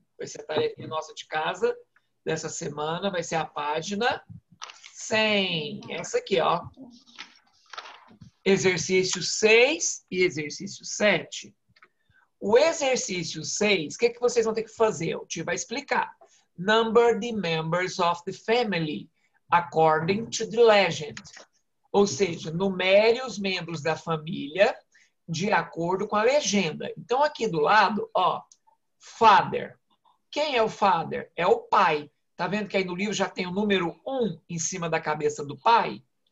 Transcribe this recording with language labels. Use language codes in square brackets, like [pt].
[pt] Vai ser a tarefa nossa de casa dessa semana. Vai ser a página 100. Essa aqui, ó. Exercício 6 e exercício 7. O exercício 6, o que vocês vão ter que fazer? O tio vai explicar. [en] Number the members of the family according to the legend. [pt] Ou seja, numere os membros da família de acordo com a legenda. Então, aqui do lado, ó, father. Quem é o father? É o pai. Tá vendo que aí no livro já tem o número 1 em cima da cabeça do pai?